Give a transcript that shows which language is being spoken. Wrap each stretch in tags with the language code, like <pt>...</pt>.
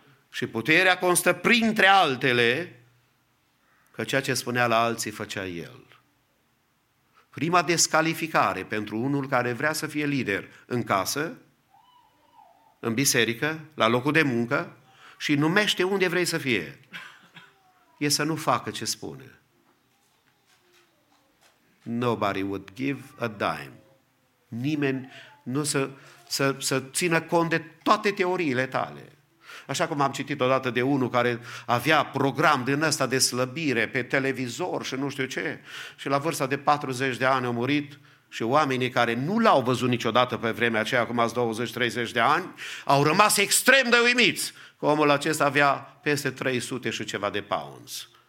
<ro>Și puterea constă printre altele că ceea ce spunea la alții făcea el. Prima descalificare pentru unul care vrea să fie lider în casă, în biserică, la locul de muncă și numește unde vrei să fie, e să nu facă ce spune.</ro> <en>Nobody would give a dime.</en> <ro>Nimeni nu să țină cont de toate teoriile tale. Așa cum am citit odată de unul care avea program din ăsta de slăbire pe televizor și nu știu ce, și la vârsta de 40 de ani a murit și oamenii care nu l-au văzut niciodată pe vremea aceea, acum 20-30 de ani, au rămas extrem de uimiți că omul acesta avea peste 300 și ceva de pounds.</ro>